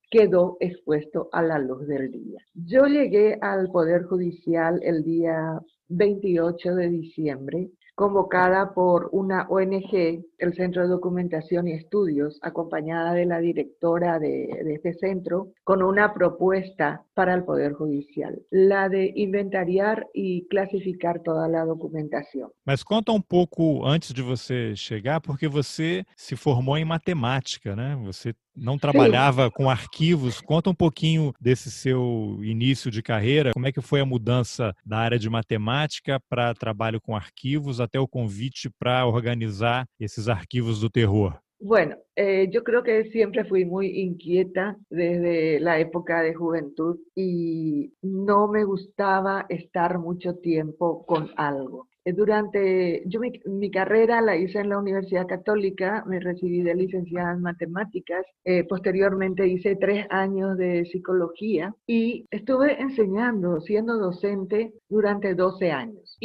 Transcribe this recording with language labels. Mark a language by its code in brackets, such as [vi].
[es] quedó expuesto a la luz del día. Yo llegué al Poder Judicial el día 28 de diciembre, convocada por una ONG, el Centro de Documentación y Estudios, acompañada de la directora de este centro, con una propuesta para el Poder Judicial, la de inventariar y clasificar toda la documentación. [pt] Mas conta [es] un poco [pt] antes de você chegar, porque você se formou em matemática, né? Você não trabalhava Sim. com arquivos. Conta um pouquinho desse seu início de carreira. Como é que foi a mudança da área de matemática para trabalho com arquivos, até o convite para organizar esses arquivos do terror? [es] Bueno, yo creo que siempre fui muy inquieta desde la época de juventud y no me gustaba estar mucho tiempo con algo. Durante yo mi carrera la hice en la Universidad Católica, me recibí de licenciada en matemáticas, posteriormente hice 3 años de psicología y estuve enseñando, siendo docente durante 12 años.